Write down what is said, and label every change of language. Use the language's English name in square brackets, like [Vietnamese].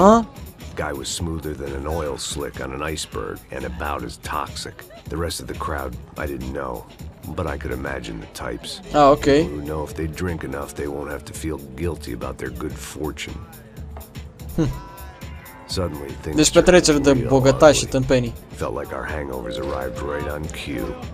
[English] Huh? Guy was smoother than an oil slick on an iceberg and about as toxic. The rest of the crowd, I didn't know, but I could imagine the types. Oh, okay. People who know if they drink enough, they won't have to feel guilty about their good fortune. Suddenly, things [Romanian] deci petrecere de bogătași și tâmpenii. [English] Felt like our hangovers arrived right on cue.